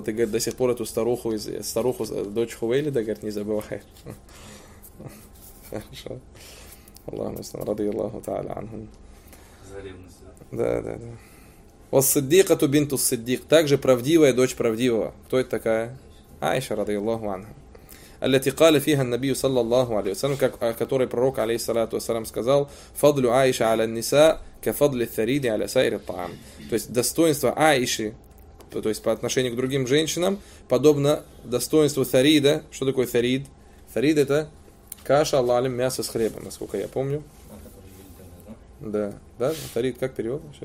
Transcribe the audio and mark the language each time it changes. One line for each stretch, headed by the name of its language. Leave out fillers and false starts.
Russian: Ты, говорит, до сих пор эту старуху, старуху дочь Хувейлида, говорит, не забываешь. Хорошо. Аллаху ассалям, ради Аллаху та'аля анхум. Да.
Arabic: Ас-Сиддиқату бинту Ас-Сиддиқ.
Russian: Также правдивая дочь правдивого. Кто это такая? Айша, ради Аллаху анхум.
Arabic: التي قال فيها النبي صلى الله عليه وسلم
Russian: который пророк алейхиссалату вассалям сказал
Arabic: فضل عائشة على النساء كفضل الثريد على سائر الطعام.
Russian: То есть достоинство Аиши, то есть по отношению к другим женщинам, подобно достоинству Тарида. Что такое Тарид? Тарид это каша, Аллах алим, мясо с хлебом, насколько я помню. Да. Тарид как перевод?